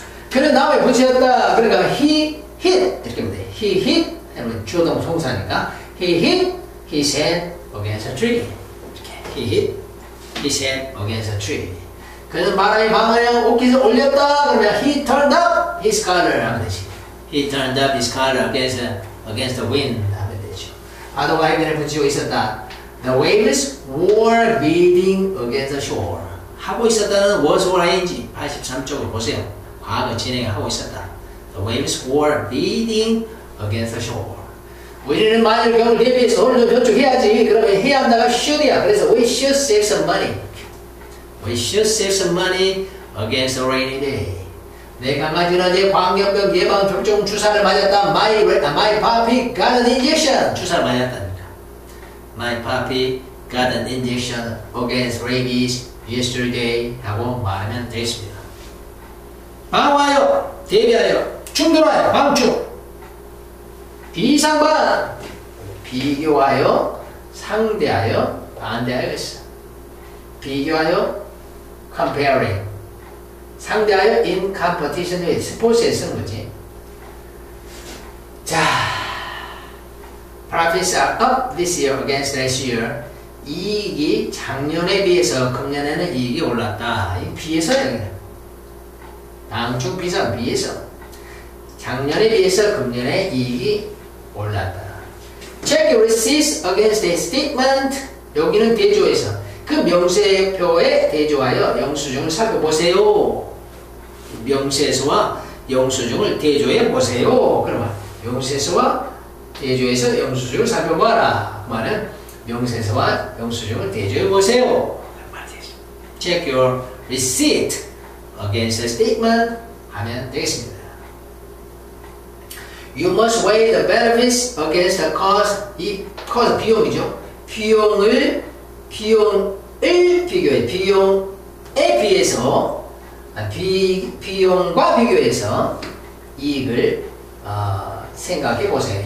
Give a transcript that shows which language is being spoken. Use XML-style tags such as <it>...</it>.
<ko>그는 나무에 부딪혔다. 그러니까</ko> <en>he hit,</en> <ko>이렇게 하면 돼.</ko> <en>he hit,</en> <ko>이러면 주어동 송사니까</ko> <en>he hit his head against a tree.</en> <ko>이렇게</ko> <en>he hit his head against a tree.</en> <ko>그는 바람에 방어에 옷깃을 올렸다. 그러면</ko> <en>he turned up his collar</en> <ko>하면 되지.</ko> <en>He turned up his collar against the wind.</en> <ko>하면 되죠. 파도가 해변을 부딪히고 있었다.</ko> <en>The waves were beating against the shore.</en> <ko>하고 있었다는</ko> <en>was or ing.</en> <ko>83쪽을 보세요. 과거 진행을 하고 있었다.</ko> <en>The waves were beating against the shore.</en> <ko>우리는 만일 경우를 대비해서 돈을 저축해야지. 그러면 해야 한다가 should이야. 그래서</ko> <en>we should save some money. We should save some money against the rainy day.</en> <ko>내 강아지는 이제 광견병 예방 접종 주사를 맞았다.</ko> <en>My puppy got an injection.</en> <ko>주사를 맞았다니까.</ko> <en>My puppy got an injection against rabies yesterday.</en> <ko>하고 말하면 되겠습니다. 방어하여, 대비하여, 충돌하여, 방충. 비상반, 비교하여, 상대하여, 반대하여 있어. 비교하여,</ko> <en>comparing.</en> <ko>상대하여</ko> <en>in competition with</en> <ko>스포츠에 쓴 거지.</ko> <en>자, profits are up this year against last year.</en> <ko>이익이 작년에 비해서 금년에는 이익이 올랐다. 비해서 얘기해. 방충 비상 비해서 작년에 비해서 금년에 이익이 올랐다.</ko> <en>Check receipts against the statement.</en> <ko>여기는 대조에서 그 명세표에 대조하여 영수증을 살펴보세요. 명세서와 영수증을 대조해 보세요. 그러면 명세서와 대조해서 영수증을 살펴봐라. 그 말은 명세서와 영수증을 대조해 보세요.</ko> <en>Check your receipt against the statement</en> <ko>하면 되겠습니다.</ko> <en>You must weigh the benefits against the cost.</en> <ko>이 cost 비용이죠. 비용을 비교해. 비용에 비해서 비용과 비교해서 이익을 생각해 보세요.</ko>